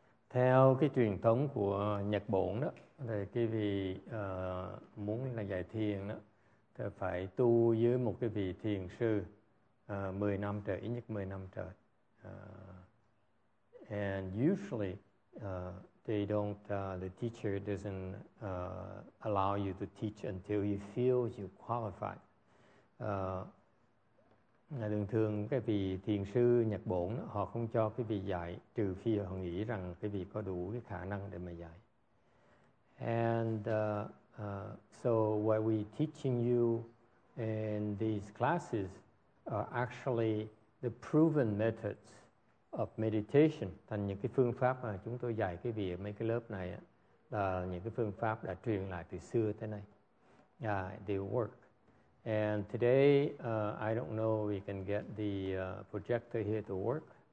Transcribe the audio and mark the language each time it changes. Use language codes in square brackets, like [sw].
[vi] Theo cái truyền thống của Nhật Bản đó, thì cái vị muốn là giải thiền đó, thì phải tu với một cái vị thiền sư. 10 năm trời, ít nhất 10 năm trời. [en] And usually, the teacher doesn't allow you to teach until you feel you qualify. [vi] Thường thường cái vị thiền sư Nhật Bản họ không cho cái vị dạy trừ phi họ nghĩ rằng cái vị có đủ cái khả năng để mà dạy. [en] And so what we teaching you in these classes are actually the proven methods of meditation. [vi] Thành những cái phương pháp mà chúng tôi dạy cái vị ở mấy cái lớp này là những cái phương pháp đã truyền lại từ xưa tới nay. [en] Yeah, they work. And today, I don't know if we can get the projector here to work.